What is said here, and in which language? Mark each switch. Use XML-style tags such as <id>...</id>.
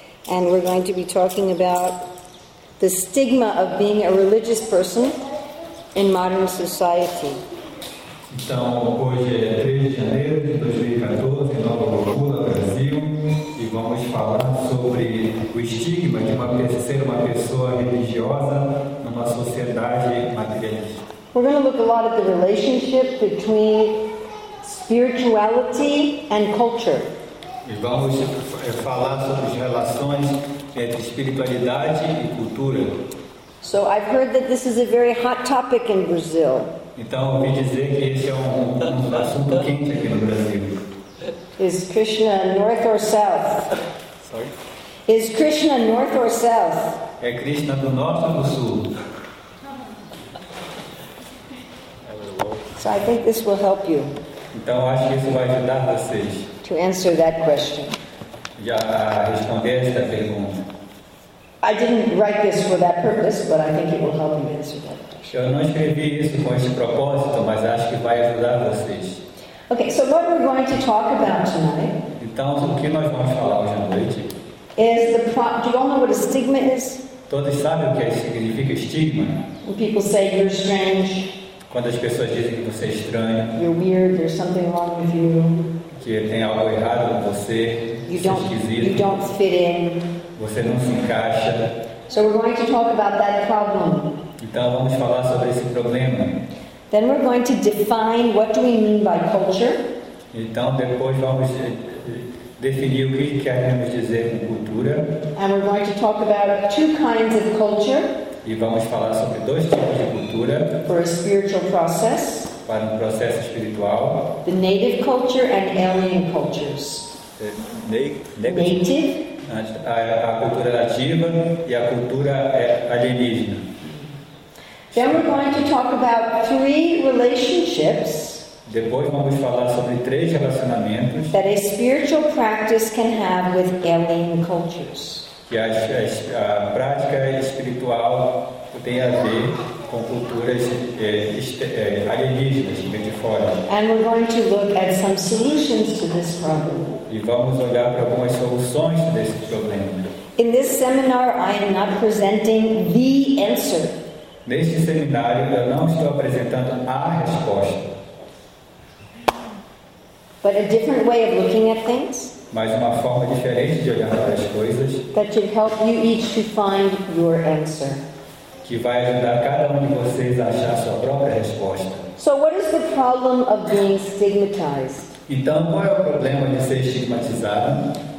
<en>And we're going to be talking about the stigma of being a religious person in modern society.</en> <pt>Então, hoje é 3 de janeiro de 2014, em Nova Locura, Brasil, e vamos falar sobre o estigma de ser uma pessoa religiosa numa sociedade materialista.</pt> <en>We're going to look a lot at the relationship between spirituality and culture.</en> <pt>E vamos falar sobre as relações entre espiritualidade e cultura.</pt> <en>So I've heard that this is a very hot topic in Brazil.</en> <pt>Então, ouvi dizer que esse é um assunto quente aqui no Brasil.</pt> <en>Is Krishna north or south? Sorry? Is Krishna north or south?</en> <pt>É Krishna do norte ou do sul?</pt> <en>So I think this will help you.</en> <pt>Então, acho que isso vai ajudar vocês.</pt> <en>To answer that question.</en> <pt>Já responder esta pergunta.</pt> <en>I didn't write this for that purpose, but I think it will help you answer that.</en> <pt>Eu não escrevi isso com esse propósito, mas acho que vai ajudar vocês.</pt> <en>Okay, so what we're going to talk about tonight?</en> <pt>Então, o que nós vamos falar hoje à noite?</pt> <en>Do you all know what a stigma is?</en> <pt>Todos sabem o que significa estigma?</pt> <en>When people say you're strange.</en> <pt>Quando as pessoas dizem que você é estranho.</pt> <en>You're weird. There's something wrong with you.</en> <pt>Que tem algo errado com você.</pt> <en>You don't fit in.</en> <pt>Você não se encaixa.</pt> <en>So we're going to talk about that problem.</en> <pt>Então vamos falar sobre esse problema.</pt> <en>Then we're going to define what do we mean by culture.</en> <pt>Então depois vamos definir o que queremos dizer com cultura.</pt> <en>And we're going to talk about two kinds of culture.</en> <pt>E vamos falar sobre dois tipos de cultura.</pt> <en>For a spiritual process.</en> <pt>Para processo espiritual.</pt> <en>The native culture and alien cultures.</en> <pt>Native. A cultura nativa e a cultura alienígena.</pt> <en>Then we're going to talk about three relationships.</en> <pt>Depois vamos falar sobre três relacionamentos</pt> <en>that a spiritual practice can have with alien cultures.</en> <pt>Que a prática espiritual tem a ver com culturas alienígenas, de fora.</pt> <en>And we're going to look at some solutions to this problem.</en> <pt>E vamos olhar para algumas soluções desse problema.</pt> <en>In this seminar, I am not presenting the answer.</en> <pt>Neste seminário, eu não estou apresentando a resposta.</pt> <en>But a different way of looking at things.</en> <pt>Mas uma forma diferente de olhar para as coisas.</pt> <en>That should help you each to find your answer.</en> <pt>Que vai ajudar cada de vocês a achar sua própria resposta.</pt> <en>So what is the problem of being stigmatized?</en> <pt>Então, qual é o problema de ser estigmatizado?</pt>